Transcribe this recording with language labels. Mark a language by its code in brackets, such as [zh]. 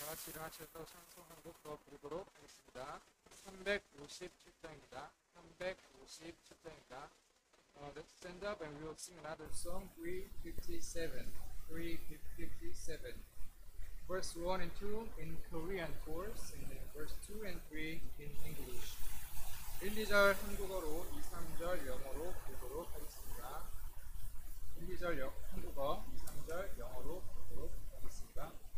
[ko] 일어나셔서 찬송 한 곡 더 부르도록 하겠습니다. 357장입니다. 357장입니다. [en] Let's stand up and we'll sing another song. 357. 357. verse 1 and 2 in Korean course, and then verse 2 and 3 in English. [ko] 1, 2절 한국어로, 2, 3절 영어로 보도록 하겠습니다. 1, 2절 한국어, 2, 3절 영어로 보도록 하겠습니다.